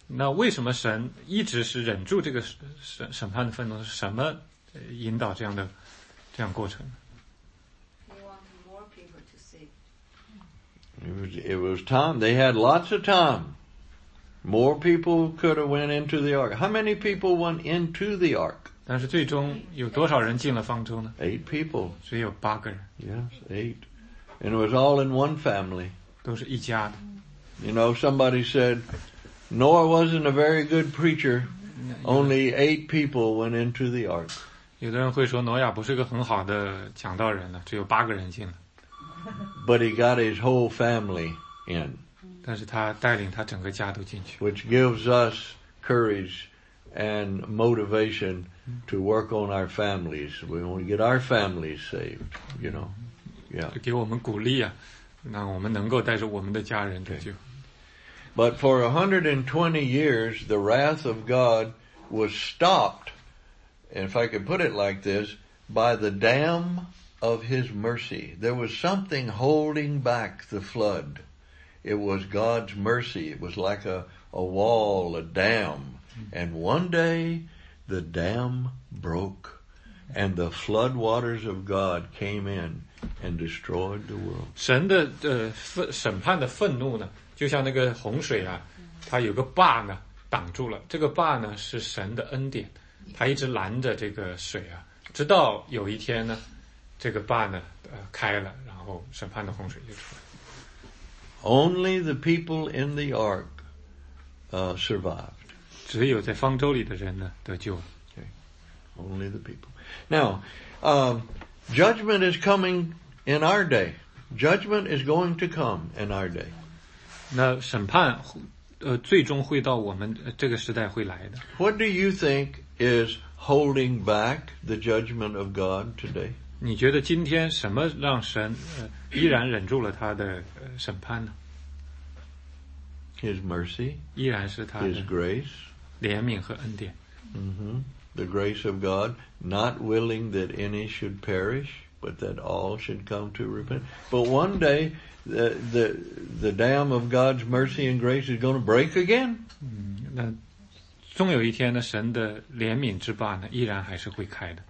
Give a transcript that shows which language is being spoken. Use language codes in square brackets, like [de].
[zh] 那为什么神一直是忍住这个审判的愤怒？是什么引导这样过程 [en] ？He wanted more people to see. It was time. They had lots of time. More people could have went into the ark. How many people went into the ark? [zh] 但是最终有多少人进了方舟呢 [en] ？8 people. [zh] 只有八个人。 [en] Yes, 8. And it was all in one family. [zh] 都是一家的。 [en] You know, somebody said, Noah wasn't a very good preacher. Only 8 people went into the ark. [zh] 有的人会说挪亚不是个很好的讲道人了，只有八个人进了。 [en] But he got his whole family in. [zh] 但是他带领他整个家都进去。 [en] Which gives us courage and motivation to work on our families. We want to get our families saved, you know. Yeah. [zh] 给我们鼓励啊。那我们能够带着我们的家人得救。 [en] But for 120 years, the wrath of God was stopped, if I could put it like this, by the dam of his mercy. There was something holding back the flood. It was God's mercy. It was like a wall, a dam. And one day, the dam broke, and the flood waters of God came in. And destroyed the world. [zh] 神的审判的愤怒呢，就像那个洪水啊，它有个坝呢挡住了。这个坝呢是神的恩典，它一直拦着这个水啊，直到有一天呢，这个坝呢开了，然后审判的洪水就出来。 [en] Only the people in the ark survived. [zh] 只有在方舟里的人呢得救了。 [en] Okay. Only the people. Now, Judgment is coming in our day. Judgment is going to come in our day. [zh] 那审判，最终会到我们这个时代会来的。 [en] What do you think is holding back the judgment of God today? [zh] 你觉得今天什么让神依然忍住了他的审判呢？ [en] His mercy. [zh] 依然是他的。 [en] His grace. [zh] 怜悯和恩典。 Mm-hmm. [en] The grace of God, not willing that any should perish, but that all should come to repent. But one day, the dam of God's mercy and grace is going to break again. [zh] 那终有一天呢，神的怜悯之坝呢，依然还是会开的。